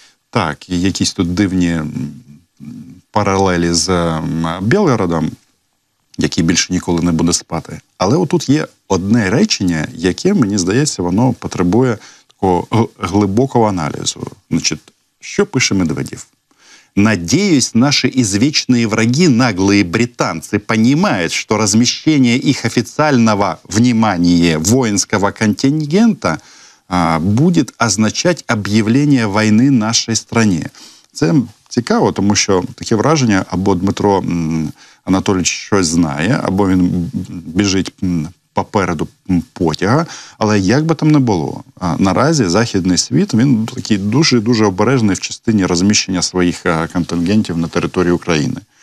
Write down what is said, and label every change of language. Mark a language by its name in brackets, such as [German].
[Ukrainian] Так, і якісь тут дивні паралелі з Білгородом, який більше ніколи не буде спати. Але отут є одне речення, яке, мені здається, воно потребує такого глибокого аналізу. Значить, що пише Медведєв? [Russian] Надеюсь, наши извечные враги, наглые британцы, понимают, что размещение их официального, внимание, воинского контингента будет означать объявление войны нашей стране. [Ukrainian] Це цікаво, тому що таке враження, або Дмитро Анатолійович щось знає, або він біжить попереду потяга, але як би там не було, наразі західний світ, він такий дуже-дуже обережний в частині розміщення своїх контингентів на території України.